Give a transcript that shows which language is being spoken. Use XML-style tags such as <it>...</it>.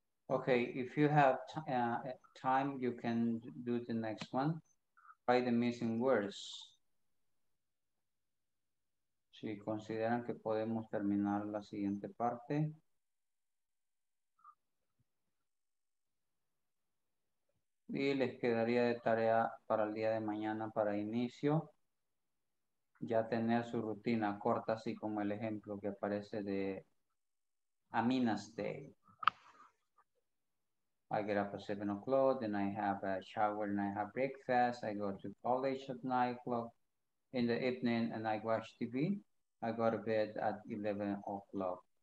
<en>Okay, if you have time, you can do the next one. Try the missing words.</en> <es>Si consideran que podemos terminar la siguiente parte. Y les quedaría de tarea para el día de mañana para inicio. Ya tener su rutina corta, así como el ejemplo que aparece de Amina's Day.</es> <en>I get up at 7 o'clock, then I have a shower and I have breakfast. I go to college at 9 o'clock in the evening and I watch TV. I go to bed at 11 o'clock.</en>